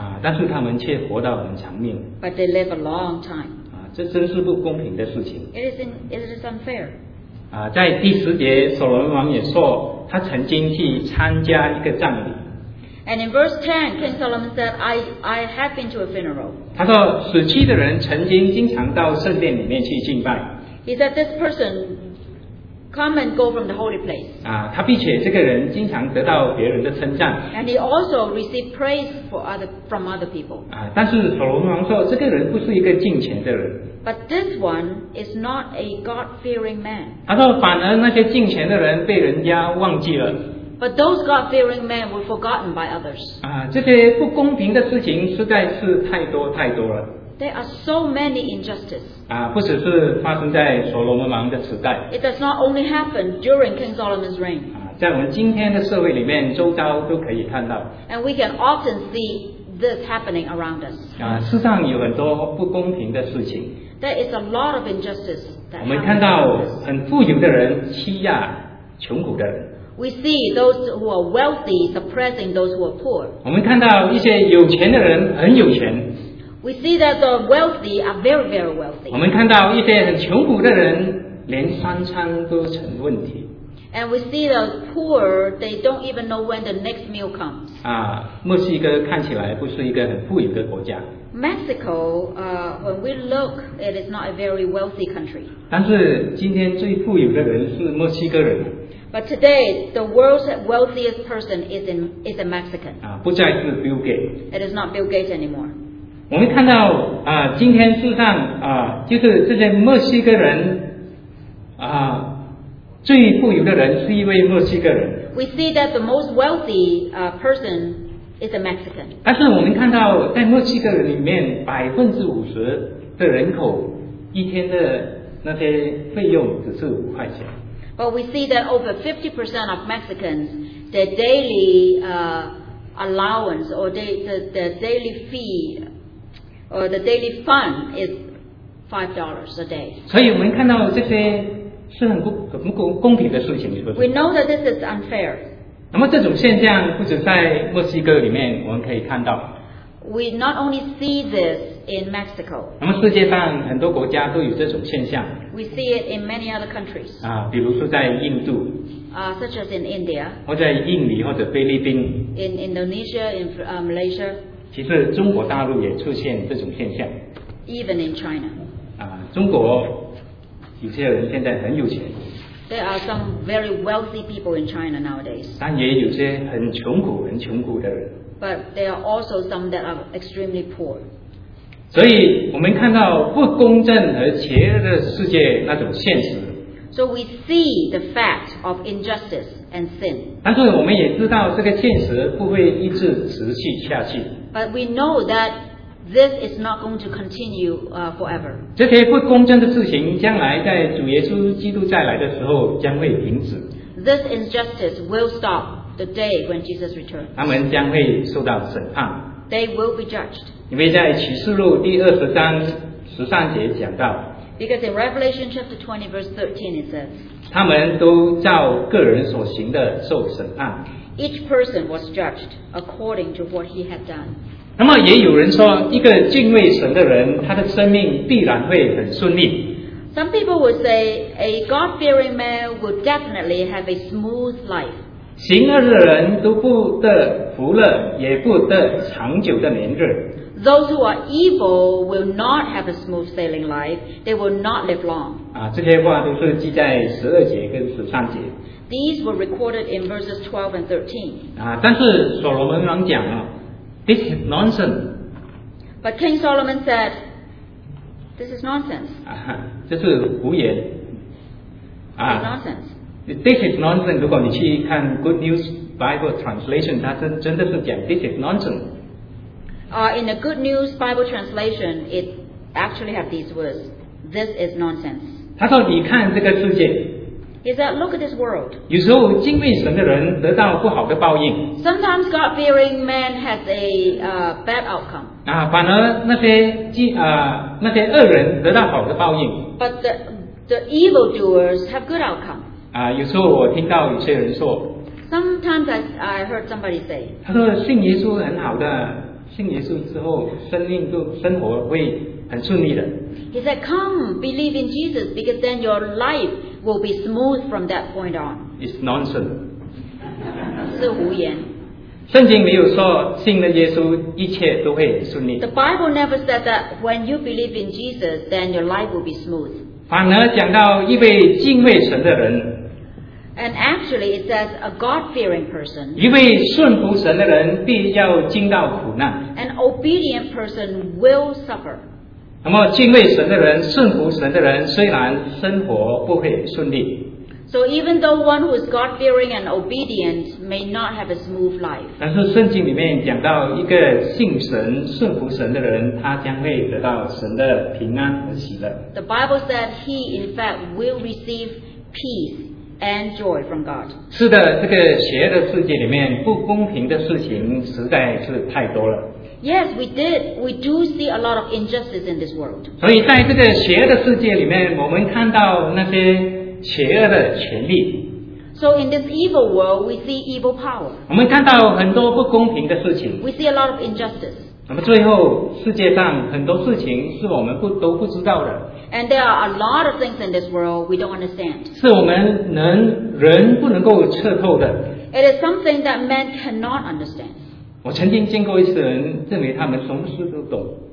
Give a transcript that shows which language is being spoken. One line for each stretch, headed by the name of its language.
Chinese: 但是他们却活到很长命。
English: But they live a long time.
Chinese: 这真是不公平的事情。
English: It is unfair.
Chinese: 在第十节，所罗门王也说，他曾经去参加一个葬礼。
English: And in verse 10, King Solomon said, I have been to a funeral.
Chinese: 他说，死去的人曾经经常到圣殿里面去敬拜。
English: He said this person. Come and go from the holy place.
Chinese: 他并且这个人经常得到别人的称赞。
English: And he also received praise from other people.
Chinese: 但是所罗门王说，这个人不是一个敬虔的人。
English: But this one is not a God-fearing man.
Chinese: 他说，反而那些敬虔的人被人家忘记了。
English: But those God-fearing men were forgotten by others.
Chinese: 这些不公平的事情实在是太多太多了。
English: There are so many injustices.
Chinese: 不只是发生在所罗门王的时代。
English: It does not only happen during King Solomon's reign.
Chinese: 在我们今天的社会里面，周遭都可以看到。
English: And we can often see this happening around us.
Chinese: 世上有很多不公平的事情。
English: There is a lot of injustice that happens.
Chinese: 我们看到很富有的人欺压穷苦的人。
English: We see those who are wealthy suppressing those who are poor.
Chinese: 我们看到一些有钱的人很有钱。
English: We see that the wealthy are very, very wealthy.
Chinese: 我们看到一些很穷苦的人连三餐都成问题。
English: And we see the poor, they don't even know when the next meal comes.
Chinese: 墨西哥看起来不是一个很富有的国家。
English: Mexico, when we look, it is not a very wealthy country.
Chinese: 但是今天最富有的人是墨西哥人。
English: But today, the world's wealthiest person is a Mexican.
Chinese: 啊，不再是 Bill Gates.
English: It is not Bill Gates anymore.
Chinese: 我们看到啊，今天世上啊，就是这些墨西哥人啊，最富有的人是一位墨西哥人。
English: We see that the most wealthy person is a Mexican.
Chinese: 但是我们看到在墨西哥人里面，50%的人口一天的那些费用只是5块钱。
English: But we see that over 50% of Mexicans, their daily allowance or the daily fee or the daily fund is $5 a day.
Chinese: 所以我们看到这些是很不公平的事情，是不是？
English: We know that this is unfair.
Chinese: 那么这种现象不止在墨西哥里面，我们可以看到。
English: We not only see this in Mexico.
Chinese: 那么世界上很多国家都有这种现象。
English: We see it in many other countries.
Chinese: 啊，比如说在印度。
English: Such as in India.
Chinese: 或在印尼或者菲律宾。
English: In Indonesia, in Malaysia.
Chinese: 其实中国大陆也出现这种现象。
English: Even in China.
Chinese: 啊，中国有些人现在很有钱。
English: There are some very wealthy people in China nowadays.
Chinese: 但也有些很穷苦、很穷苦的人。
English: But there are also some that are extremely poor.
Chinese: 所以我们看到不公正和邪恶的世界那种现实。
English: So we see the fact of injustice and sin.
Chinese: 但是我们也知道这个现实不会一直持续下去。
English: But we know that this is not going to continue forever.
Chinese: 这些不公正的事情将来在主耶稣基督再来的时候将会停止。
English: This injustice will stop. The day when Jesus returns,
Chinese: 他们将会受到审判。
English: They will be judged.
Chinese: 因为在启示录第20章13节讲到。
English: Because in Revelation chapter 20 verse 13 it says,
Chinese: 他们都照个人所行的受审判。
English: Each person was judged according to what he had done.
Chinese: 那么也有人说，一个敬畏神的人，他的生命必然会很顺利。
English: Some people would say a God-fearing man would definitely have a smooth life.
Chinese: 行恶的人都不得福了，也不得长久的年日。
English: Those who are evil will not have a smooth sailing life. They will not live long.
Chinese: 啊，这些话都是记在12节跟13节。
English: These were recorded in verses 12 and 13.
Chinese: 啊，但是所罗门王讲了 ，
English: This is nonsense. But King Solomon said, "This is nonsense."
Chinese: 啊，这是胡言。啊
English: ，nonsense. This is nonsense.
Chinese: 如果你去看
English: Good News Bible Translation,
Chinese: 它真的是讲
English: This is nonsense. In the Good News Bible Translation, it actually have these words. This is nonsense.
Chinese: 他说你看这个世界。
English: He said, look at this world.
Chinese: 有时候敬畏神的人得到不好的报应。
English: Sometimes God-fearing man has a bad outcome.
Chinese: 啊，反而那些恶人得到好的报应。
English: But the evildoers have good outcome.
Chinese: 啊，有时候我听到有些人说
English: ，Sometimes I heard somebody say，
Chinese: 他说信耶稣很好的，信耶稣之后生活会很顺利的。
English: He said, "Come believe in Jesus, because then your life will be smooth from that point on." It's nonsense，
Chinese: 是胡言。圣经没有说信了耶稣一切都会很顺利。
English: The Bible never said that when you believe in Jesus, then your life will be smooth.
Chinese: 反而讲到一位敬畏神的人
English: ，and actually it says a God-fearing person，
Chinese: 一位顺服神的人必要经到苦难
English: ，an obedient person will suffer。
Chinese: 那么敬畏神的人、顺服神的人，虽然生活不会顺利
English: ，so even though one who is God-fearing and obedient may not have a smooth life，
Chinese: 但是圣经里面讲到一个信神、顺服神的人，他将会得到神的平安。
English: The Bible said he in fact will receive peace and joy from God.
Chinese: 是的，这个邪恶的世界里面不公平的事情实在是太多了。
English: Yes, we did. We do see a lot of injustice in this world.
Chinese: 所以在这个邪恶的世界里面，我们看到那些邪恶的权力。
English: So in this evil world, we see evil power.
Chinese: 我们看到很多不公平的事情。
English: We see a lot of injustice.
Chinese: 那么最后，世界上很多事情是我们都不知道的。
English: And there are a lot of things in this world we don't understand.
Chinese: 是我们人不能够彻透的。
English: It is something that men cannot understand.
Chinese: 我曾经见过一些人，认为他们什么事都懂。